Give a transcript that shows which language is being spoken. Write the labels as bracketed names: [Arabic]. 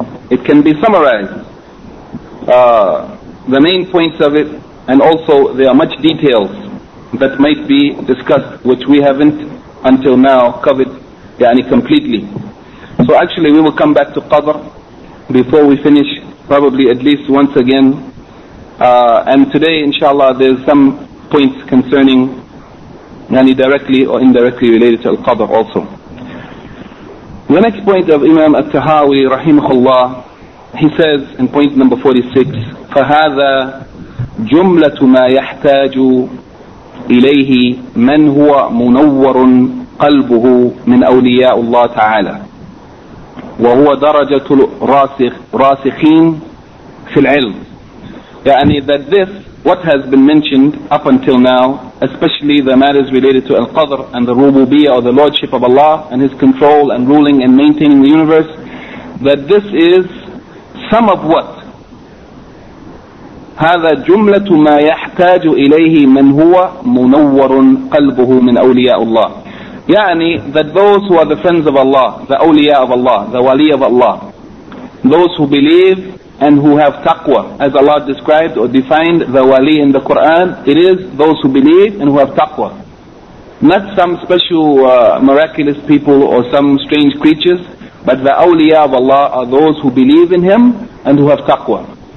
[English] It can be summarized. The main points of it, and also there are much details that might be discussed which we haven't until now covered yani completely. So actually we will come back to Qadr before we finish, probably at least once again. And today inshallah there's some points concerning yani directly or indirectly related to Al-Qadr also. The next point of Imam At-Tahawi rahimahullah, he says in point number 46, [Arabic] فَهَذَا جملة ما يحتاج إليه من هو منور قلبه من أولياء الله تعالى وهو درجة راسخين في العلم. [English] يعني that this, what has been mentioned up until now, especially the matters related to Al-Qadr and the Rububiyyah or the Lordship of Allah and His control and ruling and maintaining the universe, that this is some of what. [Arabic] هذا جملة ما يحتاج إليه من هو منور قلبه من أولياء الله. [English] يعني that those who are the friends of Allah, the awliya of Allah, the wali of Allah, those who believe and who have taqwa, as Allah described or defined the wali in the Quran, it is those who believe and who have taqwa. Not some special miraculous people or some strange creatures, but the awliya of Allah are those who believe in Him and who have taqwa.